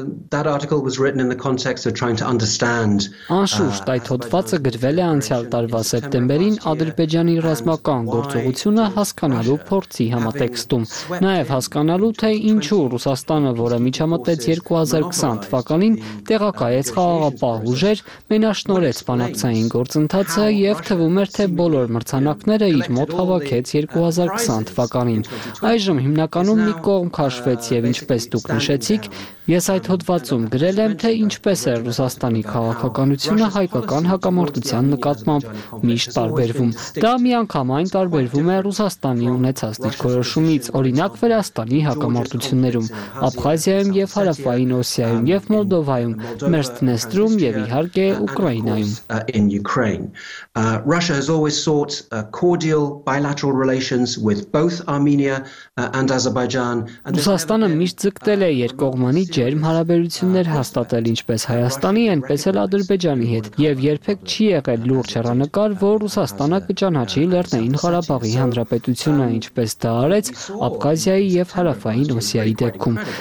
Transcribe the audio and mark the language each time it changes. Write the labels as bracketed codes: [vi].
[en] That article was written in the context of trying to understand [hy] Անշուշտ այդ հոդվածը գրվել է անցյալ տարվա սեպտեմբերին Ադրբեջանի ռազմական գործողությունը հասկանալու փորձի համատեքստում, նաև հասկանալու, թե ինչու Ռուսաստանը, որը միջամտեց 2020 թվականին, տեղակայեց խաղաղապահ ուժեր, մենաշնորեց բանակցային գործընթացը և թվում էր, թե բոլոր մրցանակները իր մոտ հավաքեց 2020 թվականին, այժմ հիմնականում մի կողմ քաշվեց և ինչպես դուք նշեցիք, ես այդ հոդվածում գրել եմ, թե ինչպես է Ռուսաստանի քաղաքականությունը հայկական հակամարտության նկատմամբ միշտ տարբերվում։ Դա միանգամայն տարբերվում է Ռուսաստանի ունեցած դիրքորոշումից, օրինակ Վրաստանի հակամարտություններում, Աբխազիայում և Հարավային Օսիայում և Մոլդովայում, Մերսդնեստրում և իհարկե Ուկրաինայում։ [en] Russia has always sought cordial bilateral relations with both Armenia and Azerbaijan. [hy] Ռուսաստանը միշտ ձգտել է երկկողմանի ջերմ հարաբերություններ հաստատել ինչպես Հայաստանի, այնպես էլ Ադրբեջանի հետ, և երբեք չի եղել լուրջ հեռանկար, որ Ռուսաստանը կճանաչի Լեռնային Ղարաբաղի հանրապետությունը, ինչպես դա արեց Աբխազիայի և Հարավային Օսիայի դեպքում։